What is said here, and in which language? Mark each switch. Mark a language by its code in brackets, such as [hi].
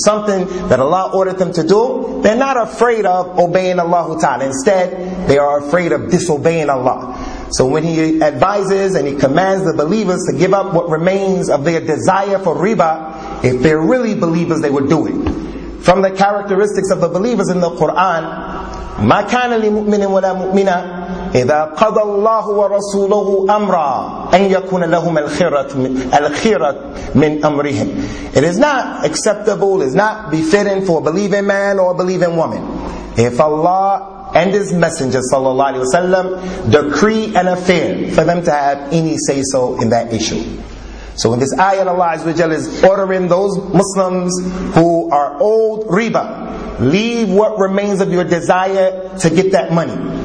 [en] Something that Allah ordered them to do, they're not afraid of obeying Allah ta'ala. Instead, they are afraid of disobeying Allah. So when He advises and He commands the believers to give up what remains of their desire for riba, if they're really believers, they would do it. From the characteristics of the believers in the Quran, [ar] مَا كَانَ لِمُؤْمِنٍ وَلَا مُؤْمِنَا إِذَا قَضَى اللَّهُ وَرَسُولُهُ أَمْرًا أَنْ يَكُونَ لَهُمْ الْخِيرَةُ مِنْ أَمْرِهِمْ. [en] It is not acceptable, it's not befitting for a believing man or a believing woman, if Allah and His Messenger sallallahu alaihi wasallam decree an affair, for them to have any say-so in that issue. So in this ayat, Allah Azza wa Jalla is ordering those Muslims who are owed riba, leave what remains of your desire to get that money.